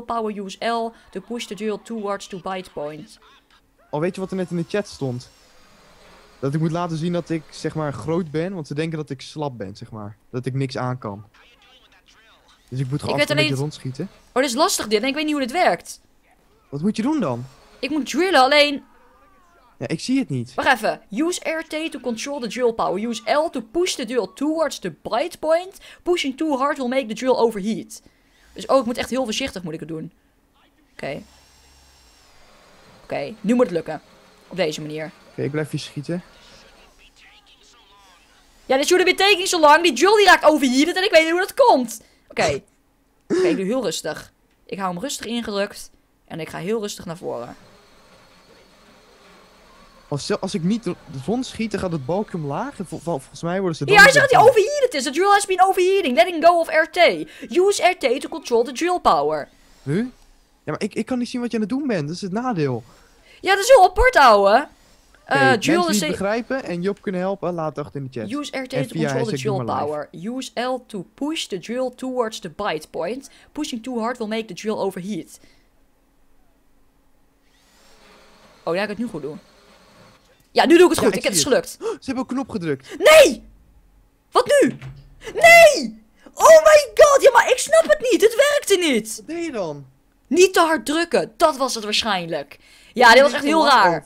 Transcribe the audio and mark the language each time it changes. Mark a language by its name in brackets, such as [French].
[English] Power use L to push the drill towards the bite point. [Dutch] Oh, weet je wat er net in de chat stond? Dat ik moet laten zien dat ik, zeg maar, groot ben. Want ze denken dat ik slap ben, zeg maar. Dat ik niks aan kan. Dus ik moet gewoon een beetje rondschieten. Oh, dat is lastig dit. En ik weet niet hoe dit werkt. Wat moet je doen dan? Ik moet drillen, alleen... Ja, ik zie het niet. Wacht even. [English] Use RT to control the drill power. Use L to push the drill towards the bite point. Pushing too hard will make the drill overheat. [Dutch] Dus ik moet echt heel voorzichtig moet ik het doen. Oké. Nu moet het lukken. Op deze manier. Oké, ik blijf hier schieten. Ja, dit [English] shouldn't be taking so long. [Dutch] Die drill die raakt overheated en ik weet niet hoe dat komt. Oké, ik doe heel rustig. Ik hou hem rustig ingedrukt. En ik ga heel rustig naar voren. Als ik niet rond schiet, dan gaat het balkje omlaag. Volgens mij worden ze... Ja, hij zegt dat hij overheated is. [English] The drill has been overheating. Letting go of RT. Use RT to control the drill power. Huh? [Dutch] Ja, maar ik kan niet zien wat je aan het doen bent. Dat is het nadeel. Ja, dat is heel apart, ouwe. Drill is... begrijpen en Job kunnen helpen, laat het achter in de chat. [English] Use RT to control the drill power. Use L to push the drill towards the bite point. Pushing too hard will make the drill overheat. [Dutch] Oh, ja, ik kan het nu goed doen. Ja, nu doe ik het goed. Ja, ik heb het gelukt. Ze hebben een knop gedrukt. Nee! Wat nu? Nee! [English] Oh my god, [Dutch] ja, maar ik snap het niet. Het werkte niet. Wat deed je dan? Niet te hard drukken. Dat was het waarschijnlijk. Ja, dit was echt heel raar.